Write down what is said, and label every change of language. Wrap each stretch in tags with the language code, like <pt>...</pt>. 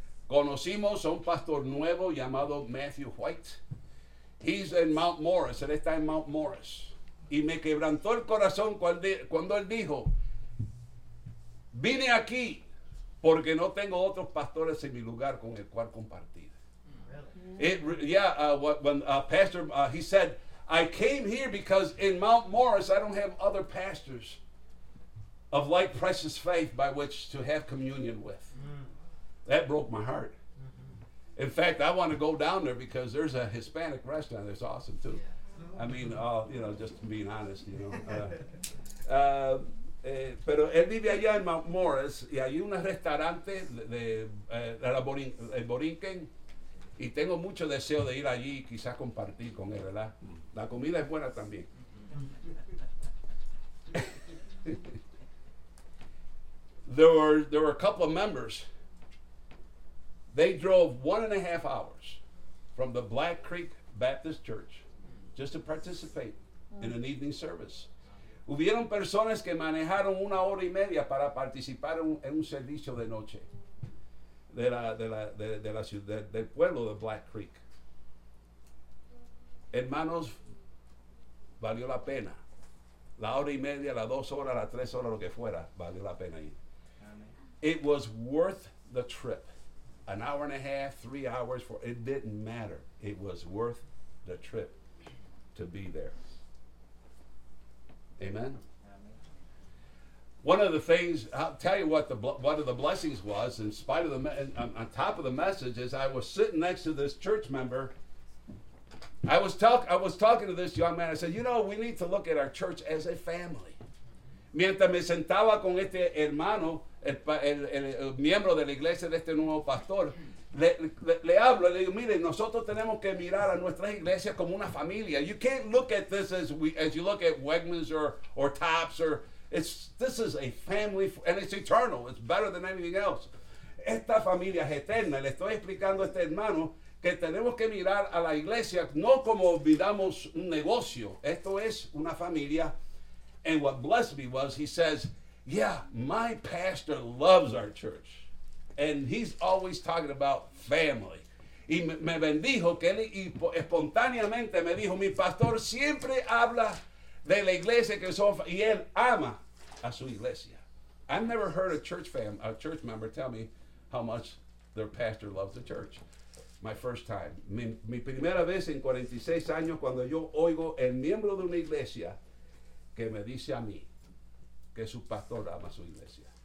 <es>Conocimos a un pastor nuevo llamado Matthew White.</es> <en>He's in Mount Morris.</en> <es>Él está en Mount Morris. Y me quebrantó el corazón cuando él dijo, vine aquí porque no tengo otros pastores en mi lugar con el cual compartir.</es> <en>Really? He said, I came here because in Mount Morris I don't have other pastors of like precious faith by which to have communion with. That broke my heart. In fact, I want to go down there because there's a Hispanic restaurant that's awesome too. I mean, just being honest, you know.</en> <es>Pero él vive allá en Mount Morris y hay un restaurante de Borinquen y tengo mucho deseo de ir allí y quizás compartir con él, ¿verdad? La comida es buena también.</es> <en>There were a couple of members. They drove 1.5 hours from the Black Creek Baptist Church just to participate in an evening service.</en> <es>Hubieron personas que manejaron 1 hora y media para participar en un servicio de noche de la ciudad, del pueblo de Black Creek. Hermanos, valió la pena. La hora y media, la 2 horas, la 3 horas, lo que fuera, valió la pena ir.</es> <en>It was worth the trip. 1.5 hours, 3 hours, for it didn't matter. It was worth the trip to be there. Amen. One of the things, I'll tell you what one of the blessings was, in spite of the, on top of the message, is I was sitting next to this church member. I was talking to this young man. I said, you know, we need to look at our church as a family.</en> <es>Mientras me sentaba con este hermano, el miembro de la iglesia de este nuevo pastor, le hablo, le digo, mire, nosotros tenemos que mirar a nuestras iglesias como una familia.</es> <en>You can't look at this as you look at Wegmans or Tops or this is a family and it's eternal. It's better than anything else.</en> <es>Esta familia es eterna. Le estoy explicando a este hermano que tenemos que mirar a la iglesia no como miramos un negocio. Esto es una familia.</es> <en>And what blessed me was, he says, yeah, my pastor loves our church. And he's always talking about family.</en> <es>Y me bendijo que él espontáneamente me dijo, mi pastor siempre habla de la iglesia que somos, y él ama a su iglesia.</es> <en>I've never heard a church member tell me how much their pastor loves the church. My first time.</en> <es>Mi primera vez en 46 años cuando yo oigo el miembro de una iglesia que me dice a mí que su pastor ama su iglesia.</es>